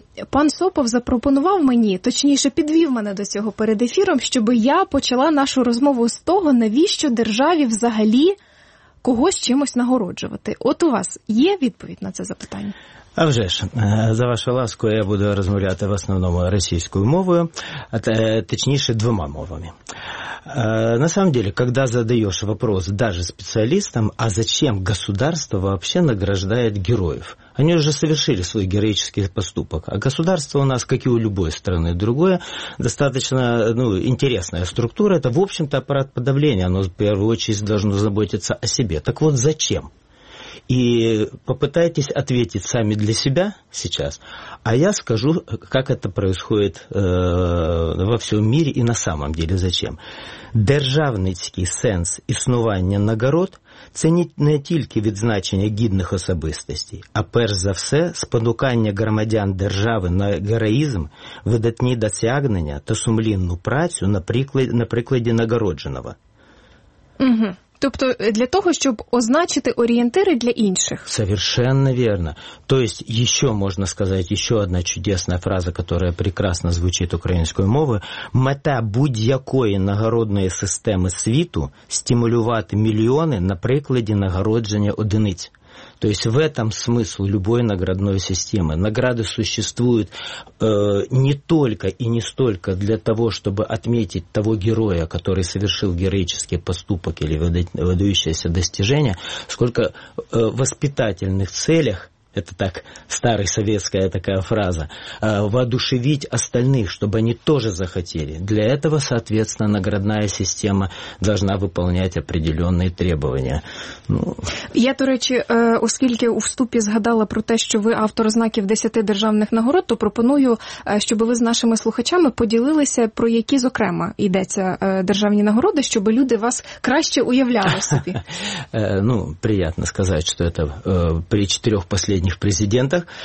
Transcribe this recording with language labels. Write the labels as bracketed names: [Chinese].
[Ukrainian] Пан Сопов запропонував мені, точніше підвів мене до цього перед ефіром, щоб я почала нашу розмову з того, навіщо державі взагалі когось чимось нагороджувати. От у вас є відповідь на це запитання? А вже ж, за вашу ласку, я буду розмовляти в основному російською мовою, а точніше двома мовами. [Russian] На самом деле, когда задаешь вопрос даже специалистам, а зачем государство вообще награждает героев? Они уже совершили свой героический поступок. А государство у нас, как и у любой страны другое, достаточно интересная структура. Это, в общем-то, аппарат подавления. Оно, в первую очередь, должно заботиться о себе. Так вот, зачем? И попытайтесь ответить сами для себя сейчас, а я скажу, как это происходит во всем мире и на самом деле зачем. [Ukrainian] Державницький сенс існування нагород – це не тільки відзначення гідних особистостей, а перш за все спонукання громадян держави на героїзм, видатні досягнення та сумлінну працю на прикладі нагородженого. Угу. Тобто для того, щоб означити орієнтири для інших. [Russian] Совершенно верно. То есть ещё можно сказать, ещё одна чудесная фраза, которая прекрасно звучит [Ukrainian] українською мовою: мета будь-якої нагородної системи світу стимулювати мільйони на прикладі нагородження одиниць. [Russian] То есть в этом смысл любой наградной системы. Награды существуют не только и не столько для того, чтобы отметить того героя, который совершил героический поступок или выдающееся достижение, сколько в воспитательных целях, это так старая советская такая фраза, воодушевить остальных, чтобы они тоже захотели. Для этого, соответственно, наградная система должна выполнять определенные требования. [Ukrainian] Я, до речі, оскільки у вступі згадала про те, що ви автор знаків 10 державних нагород, то пропоную, щоб ви з нашими слухачами поділилися, про які, зокрема, йдеться державні нагороди, щоб люди вас краще уявляли собі. Ну, приємно сказати, що це при чотирьох останніх президентах.